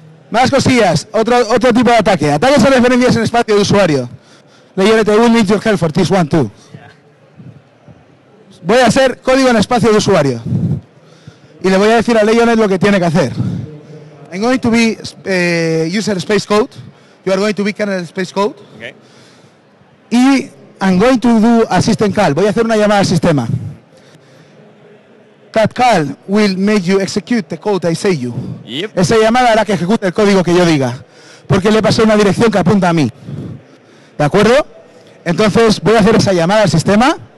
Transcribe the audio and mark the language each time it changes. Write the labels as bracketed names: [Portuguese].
[Spanish] Más cosillas, otro tipo de ataque. Ataques a referencias en espacio de usuario. [English] Leyérete un link to help for this one, too. [Spanish] Voy a hacer código en espacio de usuario. Y le voy a decir a Leyonet lo que tiene que hacer. [English] I'm going to be user space code. You are going to be kernel space code. Okay. Y I'm going to do a system call. [Spanish] Voy a hacer una llamada al sistema. [English] That call will make you execute the code I say you. Yep. [Spanish] Esa llamada hará que ejecute el código que yo diga. Porque le pasó una dirección que apunta a mí. ¿De acuerdo? Entonces voy a hacer esa llamada al sistema.